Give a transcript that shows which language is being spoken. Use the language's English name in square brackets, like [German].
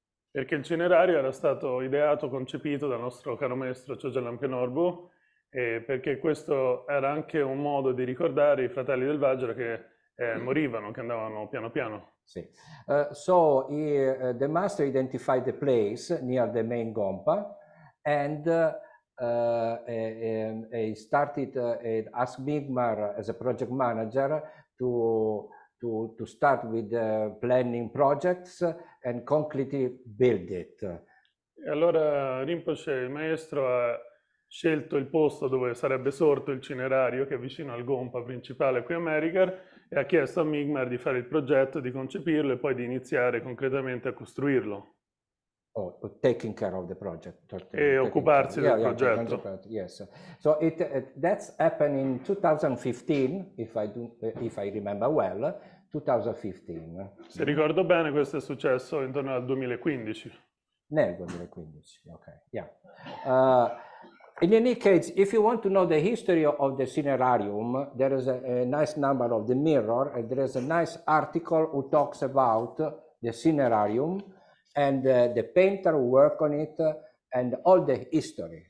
[Italian] Perché il cinerario era stato ideato, concepito dal nostro caro maestro Giorgio Lancai Norbu. E perché questo era anche un modo di ricordare i fratelli del Vajra che morivano, che andavano piano piano. Sì. [English] So the master identified the place near the main Gompa and he started ask Bigmar as a project manager to start with planning projects and concretely build it. [Italian] E allora Rinpoche, il maestro, ha scelto il posto dove sarebbe sorto il cinerario, che è vicino al Gompa principale qui a Merigar, e ha chiesto a Mi'kmaq di fare il progetto, di concepirlo e poi di iniziare concretamente a costruirlo. [English] Oh, taking care of the project. [Italian] E occuparsi del progetto. [English] Yes. So that's happened in 2015, if I remember well, 2015. [Italian] Se ricordo bene, questo è successo intorno al 2015. Nel 2015, ok. Yeah. [English] In any case, if you want to know the history of the cinerarium, there is a nice number of the mirror, and there is a nice article who talks about the cinerarium and the painter who worked on it and all the history.